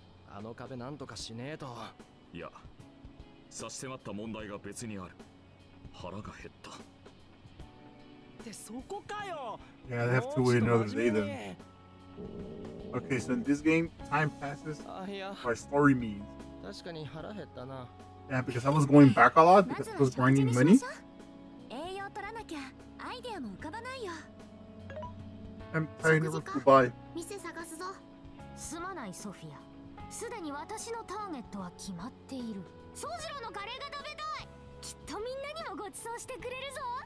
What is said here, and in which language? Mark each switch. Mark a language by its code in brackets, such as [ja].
[ja] あの壁なんとかしねえと。いや、差し迫った問題が別にある。腹が減った。で、そこかよ。 [en] Yeah, they have to wait another day then. Okay, so in this game, time passes by story means. [ja] 確かに腹減ったな。 [en] Yeah, because I was going back a lot because I was grinding money. [ja] 栄養取らなきゃアイデアも浮かばないよ。 [en] I'm tired of goodbye. [ja] 店探すぞ。すまないソフィア。すでに私のターゲットは決まっている。ソジロのカレーが食べたい。きっとみんなにもご馳走してくれるぞ。